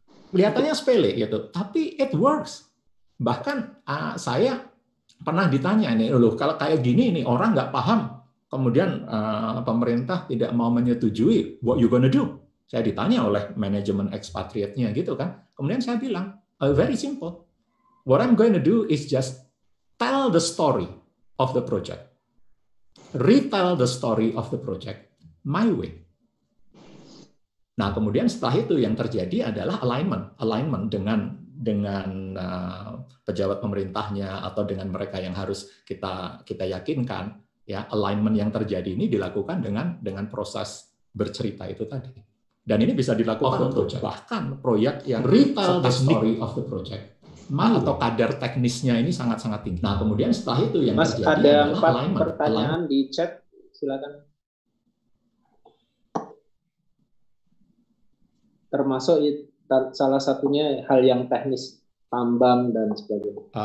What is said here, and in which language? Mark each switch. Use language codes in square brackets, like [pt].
[id] Kelihatannya sepele gitu, tapi [en] it works. [id] Bahkan saya pernah ditanya ini, loh, kalau kayak gini ini orang nggak paham. Kemudian pemerintah tidak mau menyetujui, [en] what you gonna do? [id] Saya ditanya oleh manajemen expatriate-nya gitu kan. Kemudian saya bilang, [en] very simple. What I'm going to do is just tell the story of the project. Retell the story of the project my way. [id] Nah, kemudian setelah itu yang terjadi adalah alignment. Alignment dengan pejabat pemerintahnya atau dengan mereka yang harus kita yakinkan. Ya, alignment yang terjadi ini dilakukan dengan proses bercerita itu tadi. Dan ini bisa dilakukan untuk bahkan proyek yang [en] retell the story of the project. [id] Mal atau kadar teknisnya ini sangat-sangat tinggi. Nah, kemudian setelah itu yang Mas, terjadi ada empat pertanyaan di chat. Silakan. Termasuk salah satunya hal yang teknis, tambang dan sebagainya.